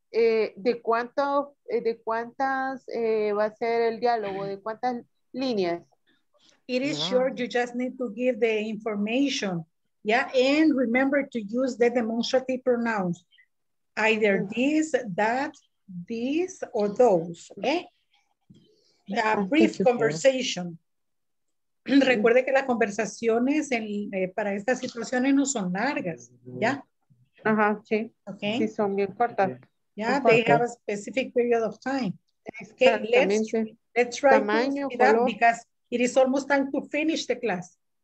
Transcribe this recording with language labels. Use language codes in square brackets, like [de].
[es] Va a ser el diálogo, de cuántas líneas? [en] It is short, you just need to give the information. Yeah, and remember to use the demonstrative pronouns. Either this, that, this, or those, okay? A brief conversation. [es] Recuerde que las conversaciones para estas situaciones no son largas, ¿ya? Ajá, sí. Okay. Sí, son bien cortas. [en] Yeah, they have a specific period of time. Okay, let's try tamaño, to speed up because it is almost time to finish the class.